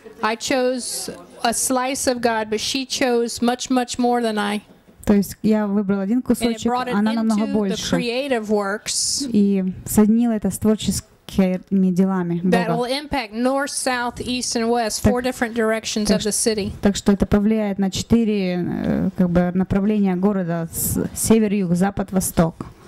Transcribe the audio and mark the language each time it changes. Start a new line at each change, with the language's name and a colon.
English: I chose a slice of God, but she chose much, much more than I.
Russian: То есть я выбрал один кусочек, она намного больше.
English: The creative works.
Russian: И соединила это с творческим. Делами,
English: that will impact north, south, east, and west, four different directions of the city.
Russian: Так что это повлияет на четыре как бы направления города: север, юг, запад, восток.